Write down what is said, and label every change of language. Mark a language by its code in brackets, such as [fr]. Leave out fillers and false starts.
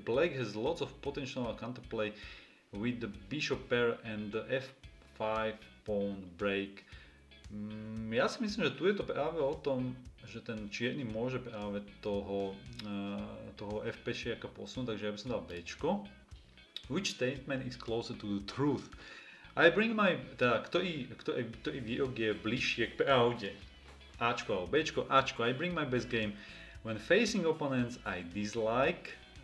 [en] Black has lots of potential counterplay with the bishop pair and the f5 pawn break. [sk] Ja si myslím, že tu je to práve o tom, že ten čierny môže práve toho f5-šiaka posunúť, takže ja by som dal b-čko. [en] Which statement is closer to the truth? I bring my... [sk] Teda, ktorý výrok je bližšie k pravde? Ačko alebo Bčko? Ačko. [en] I bring my best game when facing opponents I dislike.